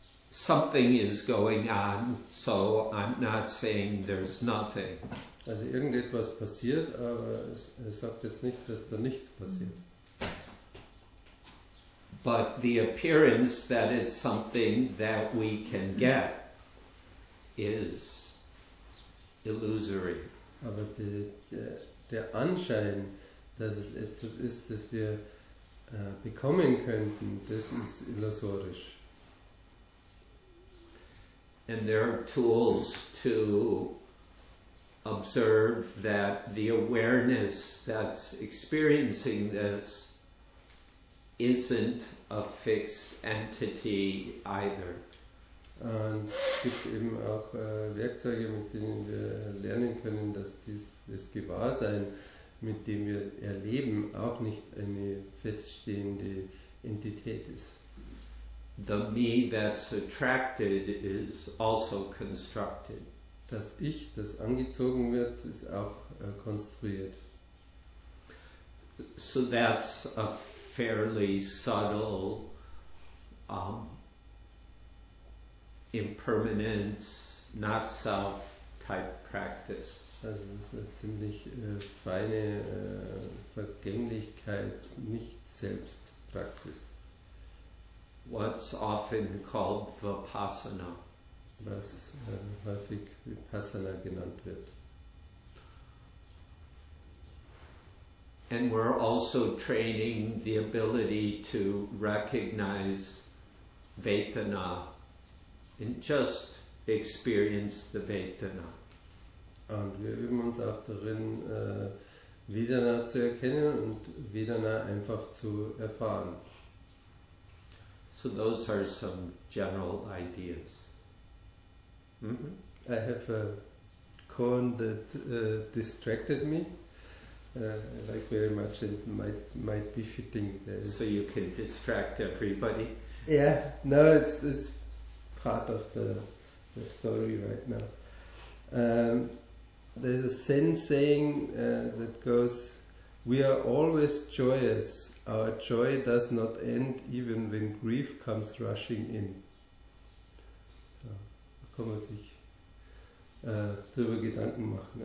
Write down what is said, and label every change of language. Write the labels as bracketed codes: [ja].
[en] Something is going on, so I'm not saying there's nothing. [de] Also irgendetwas passiert, aber es sagt jetzt nicht, dass da nichts passiert. [en] But the appearance that it's something that we can get is illusory. [de] Aber der Anschein, dass es etwas ist, das wir bekommen könnten, das ist illusorisch. [en] And there are tools to observe that the awareness that's experiencing this isn't a fixed entity either. [de] Und es gibt eben auch Werkzeuge, mit denen wir lernen können, dass das Gewahrsein, mit dem wir erleben, auch nicht eine feststehende Entität ist. [en] The me that's attracted is also constructed. [de] Das Ich, das angezogen wird, ist auch konstruiert. [en] So that's a fairly subtle impermanence, not self type practice. [de] Also das ist eine ziemlich feine Vergänglichkeits-Nicht-Selbst-Praxis. [en] What's often called Vipassana. [de] Was häufig Vipassana genannt wird. [en] And we're also training the ability to recognize Vedana. And just experience the Vedana. [de] Und wir üben uns auch darin, Vedana zu erkennen und Vedana einfach zu erfahren. [en] So those are some general ideas. Mm-hmm. I have a koan that distracted me. I like very much and might be fitting. So you can distract everybody? Yeah, no, it's part of the story right now. There's a Zen saying that goes, we are always joyous. Our joy does not end even when grief comes rushing in. [de] So, da kann man sich darüber Gedanken machen.